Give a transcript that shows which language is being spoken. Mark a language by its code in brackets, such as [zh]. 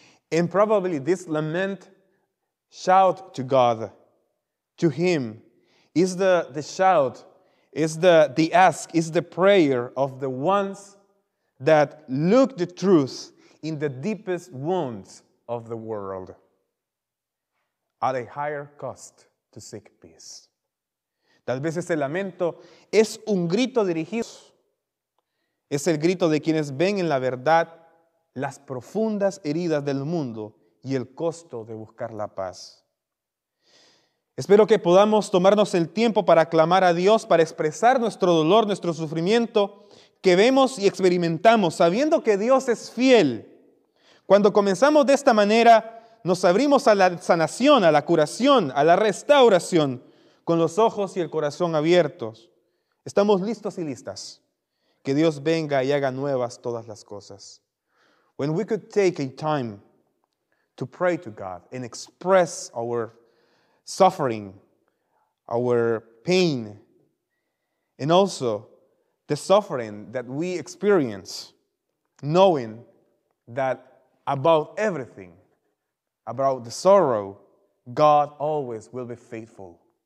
[en] And probably this lament, shout to God, to Him, is the shout, is the ask, is the prayer of the ones that look the truth in the deepest wounds of the world at a higher cost to seek peace. [es] Tal vez ese lamento es un grito dirigido. Es el grito de quienes ven en la verdad las profundas heridas del mundo y el costo de buscar la paz. Espero que podamos tomarnos el tiempo para clamar a Dios, para expresar nuestro dolor, nuestro sufrimiento, que vemos y experimentamos, sabiendo que Dios es fiel. Cuando comenzamos de esta manera, nos abrimos a la sanación, a la curación, a la restauración, con los ojos y el corazón abiertos. Estamos listos y listas. Que Dios venga y haga nuevas todas las cosas. [en] When we could take a time to pray to God and express our suffering, our pain, and also the suffering that we experience, knowing that above everything, about the sorrow, God always will be faithful.